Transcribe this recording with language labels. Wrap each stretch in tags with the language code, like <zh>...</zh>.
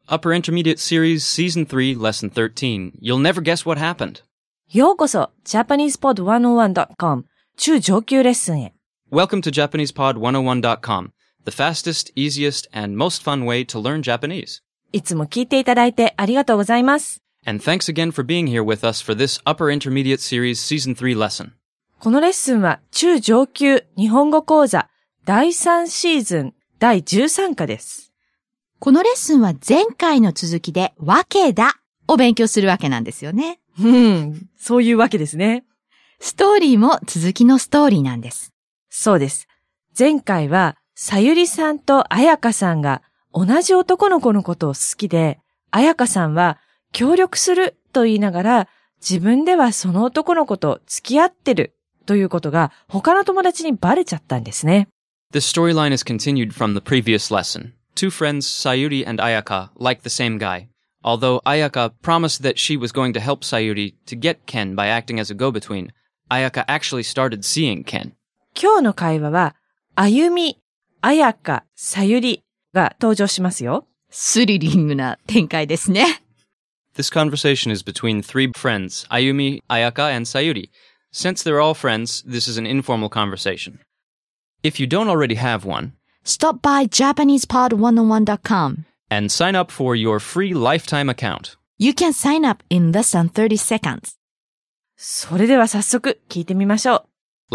<en>Upper Intermediate Series, Season 3, Lesson 13. You'll never guess what happened.</en> <ja>ようこそ、JapanesePod101.com 中上級レッスンへ。</ja> <en>Welcome to JapanesePod101.com, the fastest, easiest, and most fun way to learn Japanese.</en> <ja>いつも聞いていただいてありがとうございます。</ja> <en>And thanks again for being here with us for this Upper Intermediate Series, Season 3 Lesson.</en> <ja>このレッスンは中上級日本語講座第3シーズン第13課です。このレッスンは前回の続きで、わけだを勉強するわけなんですよね。そういうわけですね。ストーリーも続きのストーリーなんです。そうです。前回は、さゆりさんとあやかさんが同じ男の子のことを好きで、あやかさんは協力すると言いながら、自分ではその男の子と付き合ってるということが他の友達にバレちゃったんですね。</ja> <en>The storyline is continued from the previous lesson. Two friends, Sayuri and Ayaka, like the same guy. Although Ayaka promised that she was going to help Sayuri to get Ken by acting as a go-between, Ayaka actually started seeing Ken.</en> <ja>今日の会話は、あゆみ、あやか、さゆりが登場しますよ。スリリングな展開ですね。</ja> <en>This conversation is between three friends, Ayumi, Ayaka, and Sayuri. Since they're all friends, this is an informal conversation. If you don't already have one, Stop by JapanesePod101.com and sign up for your free lifetime account. You can sign up in less than 30 seconds.</en> <ja>それでは早速聞いてみましょう。</ja>